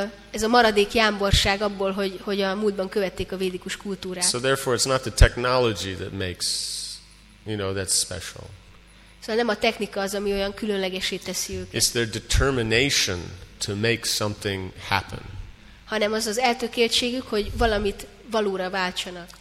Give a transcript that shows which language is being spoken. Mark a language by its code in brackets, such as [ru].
[hu] Ez a maradék jámborság abból, hogy a múltban követték a védikus kultúrát. [en] So therefore it's not the technology that makes, you know, that's special. [hu] Szóval nem a technika az, ami olyan különlegessé teszi őket. [en] It's their determination to make something happen. [hu] Hanem az az eltökéltségük, hogy valamit valóra váltsanak.